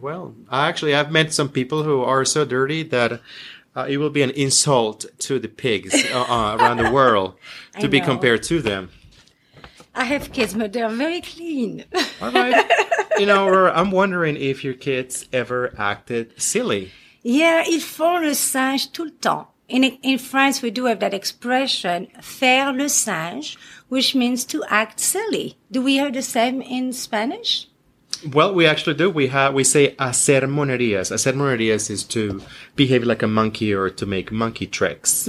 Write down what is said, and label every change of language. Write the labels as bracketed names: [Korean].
[English] Well, actually, I've met some people who are so dirty that it will be an insult to the pigs around the world to be compared to them. I have kids, but they're very clean. All right. You know, I'm wondering if your kids ever acted silly. [French] Yeah, ils font le singe tout le temps. [English] In France, we do have that expression, [French] faire le singe, [English] which means to act silly. Do we have the same in Spanish? Well, we actually do. We say [Spanish] hacer monerías. Hacer monerías [English] is to behave like a monkey or to make monkey tricks.